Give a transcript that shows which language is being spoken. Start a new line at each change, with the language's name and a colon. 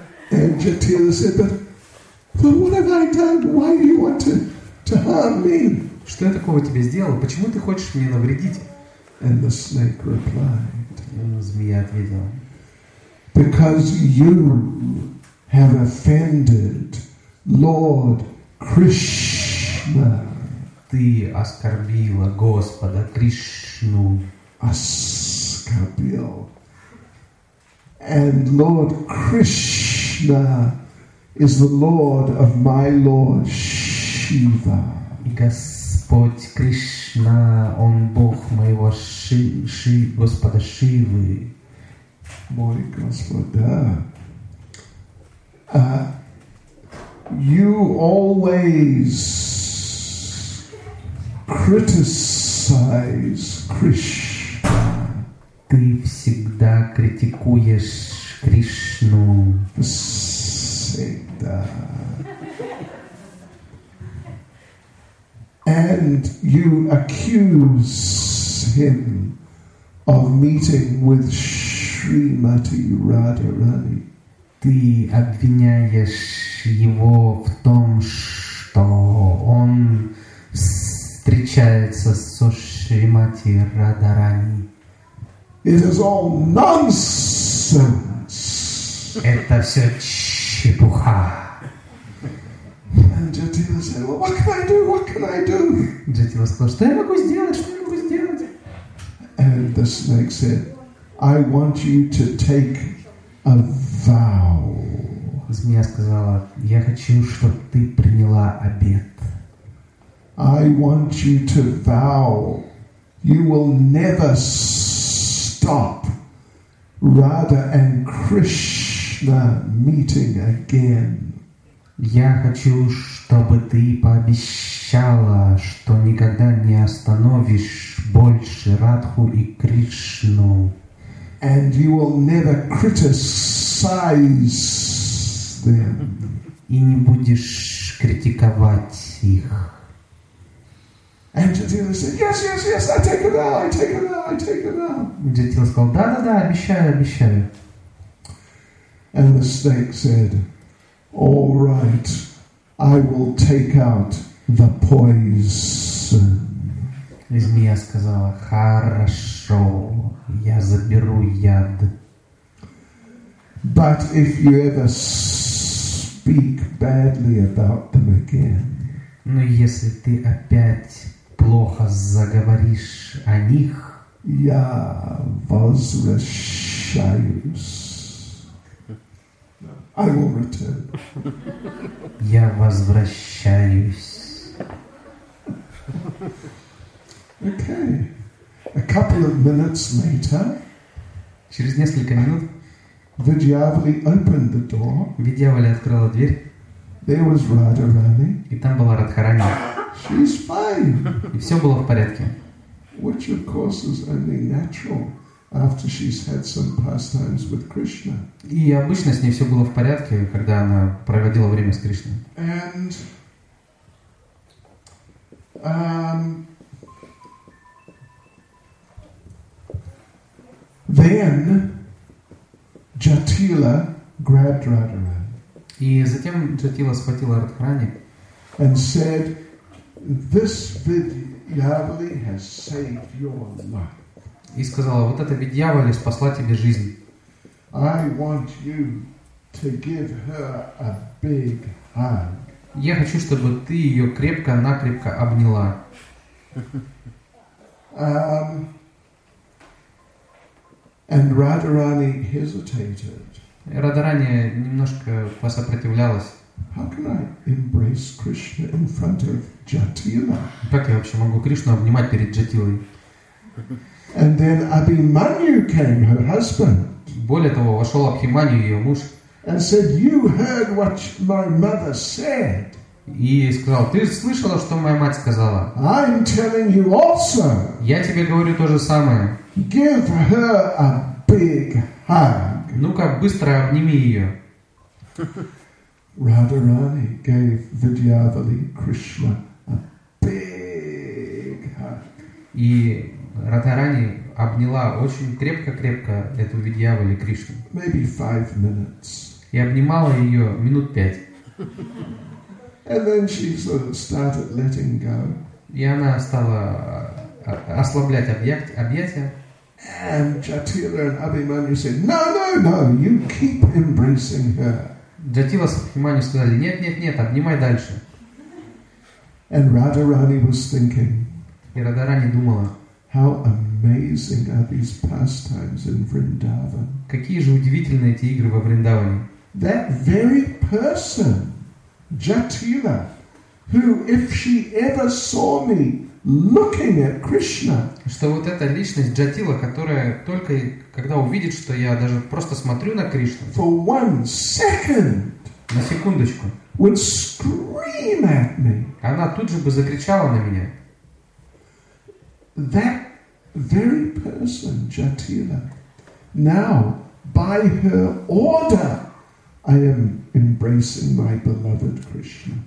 English: And your tears said, but what have I done? Why do you want to harm me?
Russian: Что я такого тебе сделал? Почему ты хочешь мне навредить?
English: And the snake replied,
Russian: змея ответила,
English: because you have offended Lord Krishna.
Russian: Ты оскорбила Господа Кришну. Оскорбил.
English: And Lord Krishna is the Lord of my Lord Shiva.
Russian: И Господь Кришна, Он Бог моего Господа Шивы. Мой Господа.
English: You always criticize Krishna.
Russian: Ты всегда критикуешь Кришну. Всегда.
English: And you accuse him of meeting with Shrimati Radharani.
Russian: Ты обвиняешь его в том, что он встречается со Шримати Радарани.
English: It is all nonsense.
Russian: Это все чепуха.
English: And Jatila said, well, what can I do? What can I do?
Russian: Jatila сказал, что я могу сделать? Что я могу сделать?
English: And the snake said, I want you to take a vow.
Russian: Змея сказала, я хочу, чтобы ты приняла обет.
English: I want you to vow. You will never stop Radha and Krishna meeting again.
Russian: Я хочу, чтобы ты пообещала, что никогда не остановишь больше Радху и Кришну.
English: And you will never criticize them.
Russian: И не будешь критиковать их.
English: And Jatila said, yes, yes, yes, I take a vow, I take a vow, I take a vow.
Russian: Jatila сказал, да-да-да, обещаю, обещаю.
English: And the snake said, all right, I will take out the poison.
Russian: И змея сказала, хорошо, я заберу яд.
English: But if you ever speak badly about them again.
Russian: Но если ты опять плохо заговоришь о них, я возвращаюсь.
English: I will return.
Russian: Я возвращаюсь.
English: Okay. A couple of minutes later.
Russian: Через несколько минут.
English: Vidyavali opened the door.
Russian: Vidyavali открыла дверь.
English: There was Radharani.
Russian: И там была Радхарани.
English: She's fine.
Russian: И все было в порядке.
English: Which of course is only natural after she's had some pastimes with Krishna.
Russian: И обычно с ней все было в порядке, когда она проводила время с Кришной.
English: And then Jatila grabbed Radharani.
Russian: И затем Jatila схватила Радхарани.
English: And said, this Vidyavali has saved your life.
Russian: И сказала, вот эта Vidyavali спасла тебе жизнь.
English: I want you to give her a big hug.
Russian: Я хочу, чтобы ты ее крепко-накрепко обняла.
English: And Radharani hesitated.
Russian: Радхарани немножко посопротивлялась.
English: How can I embrace Krishna in front of Jatila?
Russian: Как я вообще могу Кришну обнимать перед Джатилой?
English: And then Abhimanyu came, her husband.
Russian: Более того, вошел Абхиманью, ее муж.
English: And said, "You heard what my mother said."
Russian: И сказал, ты слышала, что моя мать сказала?
English: I'm telling you also.
Russian: Я тебе говорю то же самое.
English: Give her a big hug.
Russian: Ну-ка, быстро обними ее.
English: Radharani gave Vidyavali Krishna a big hug.
Russian: И Радхарани обняла очень крепко-крепко эту Видьяволи Кришну.
English: Maybe 5 minutes.
Russian: И обнимала ее минут 5.
English: And then she sort of started letting go.
Russian: И она стала ослаблять объятия.
English: And Jatila and Abhimanyu said, "No, no, no! You keep embracing her."
Russian: Джатила с Абхиманью сказали, нет, нет, нет, обнимай дальше.
English: And Radharani was thinking.
Russian: И Радхарани думала.
English: How amazing are these pastimes in Vrindavan?
Russian: Какие же удивительные эти игры во Вриндаване.
English: That very person, Jatila, who, if she ever saw me looking at Krishna,
Russian: что вот эта личность Джатила, которая только когда увидит, что я даже просто смотрю на Кришну,
English: for one second,
Russian: на секундочку,
English: would scream at me.
Russian: Она тут же бы закричала на меня.
English: That very person, Jatila, now, by her order, I am embracing my beloved Krishna.